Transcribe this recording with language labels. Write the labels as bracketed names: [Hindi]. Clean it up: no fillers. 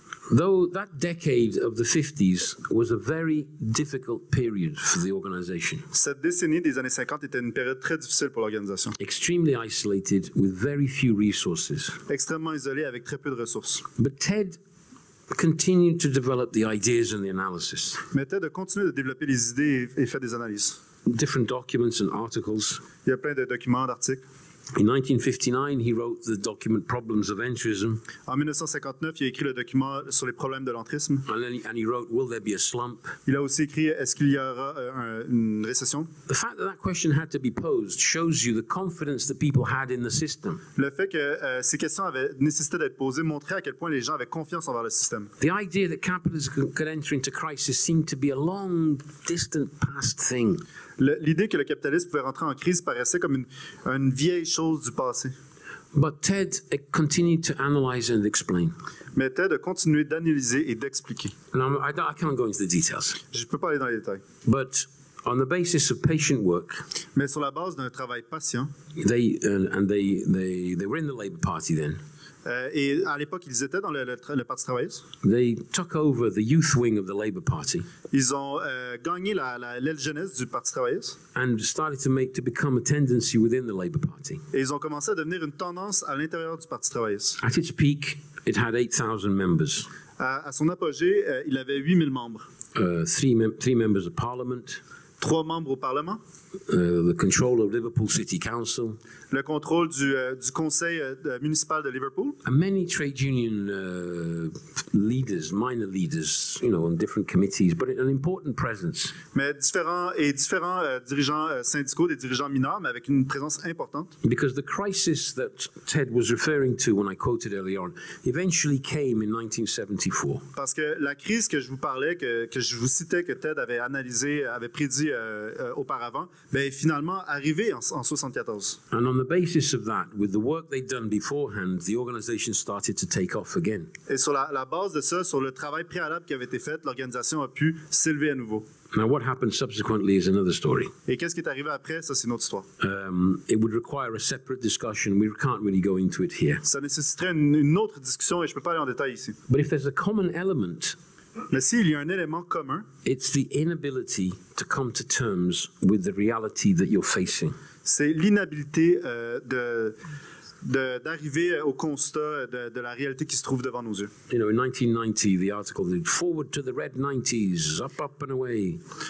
[English] Though that decade of the 50s was a very difficult period for the organization. [French] Cette décennie des années 50 était une période très difficile pour l'organisation. [English] Extremely isolated with very few resources. [French] Extrêmement isolé avec très peu de ressources. [English] But Ted continued to develop the ideas and the analysis. [French] Mais Ted a continué de développer les idées et faire des analyses. [English] Different documents and articles. [French] Il y a plein de documents, d'articles. [English] In 1959, he wrote the document Problems of Entryism. [French] En 1959, il a écrit le document sur les problèmes de l'entrisme. [English] And he wrote, Will there be a slump? [French] Il a aussi écrit, est-ce qu'il y aura une récession? [English] The fact that question had to be posed shows you the confidence that people had in the system. [French] Le fait que ces questions avaient nécessité d'être posées montrait à quel point les gens avaient confiance envers le système. [English] The idea that capitalism could enter into crisis seemed to be a long, distant past thing. [French] L'idée que le capitalisme pouvait rentrer en crise paraissait comme une vieille chose du passé. [English] But Ted continued to analyze and explain. [French] Mais Ted a continué d'analyser et d'expliquer. [English] I can't go into the details. [French] Je ne peux pas aller dans les détails. [English] But on the basis of patient work, [French] mais sur la base d'un travail patient, [English] they were in the Labour Party then. [French] Et à l'époque, ils étaient dans le Parti travailliste. [English] They took over the youth wing of the Labour Party. [French] Ils ont gagné l'aile jeunesse du Parti travailliste. [English] And started to become a tendency within the Labour Party. [French] Et ils ont commencé à devenir une tendance à l'intérieur du Parti travailliste. [English] At its peak, It had 8,000 members. [French] À son apogée, il avait 8,000 membres. [English] Three members of parliament. [French] Trois membres au parlement. [English] The control of Liverpool City Council. [French] Le contrôle du conseil municipal de Liverpool. [English] And many trade union leaders, minor leaders, you know, on different committees, but an important presence. [French] Mais différents dirigeants syndicaux, des dirigeants mineurs, mais avec une présence importante. [English] Because the crisis that Ted was referring to when I quoted earlier on eventually came in 1974. [French] Parce que la crise que je vous parlais, que je vous citais, que Ted avait analysé, avait prédit auparavant, mais finalement arrivé en 74. [English] And on the basis of that, with the work they'd done beforehand, the organization started to take off again. [French] Et sur la base de ça, sur le travail préalable qui avait été fait, l'organisation a pu s'élever à nouveau. [English] Now what happened subsequently is another story. [French] Et qu'est-ce qui est arrivé après, ça c'est une autre histoire. [English] It would require a separate discussion. We can't really go into it here. [French] Ça nécessiterait une autre discussion et je peux pas aller en détail ici. [English] But if there's a common element, [French] mais s'il y a un élément commun, [English] it's the inability to come to terms with the reality that you're facing. [French] C'est l'inhabilité d'arriver au constat de la réalité qui se trouve devant nos yeux. [English] You know, in 1990, the article said, "Forward to the red 90s, up, up and away."